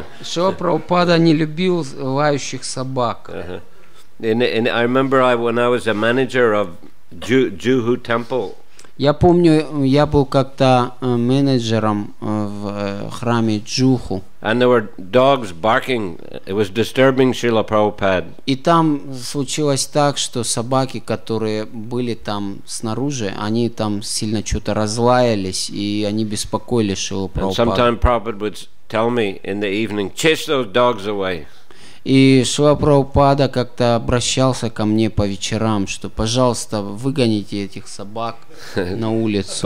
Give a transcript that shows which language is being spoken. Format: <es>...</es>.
<ru>Шрила Прабхупада не любил лающих собак.</ru> <en>And I remember when I was a manager of Juhu Temple.</en> <ru>Я помню, я был как-то менеджером в храме Джуху.</ru> <en>And there were dogs barking. It was disturbing Srila Prabhupada.</en> <ru>И там случилось так, что собаки, которые были там снаружи, они там сильно что-то разлаялись, и они беспокоили Шрилу Прабхупаду.</ru> <en>And sometimes Prabhupada would tell me in the evening, chase those dogs away.</en> <ru>И Шрила Прабхупада как-то обращался ко мне по вечерам, что, пожалуйста, выгоните этих собак на улицу.</ru>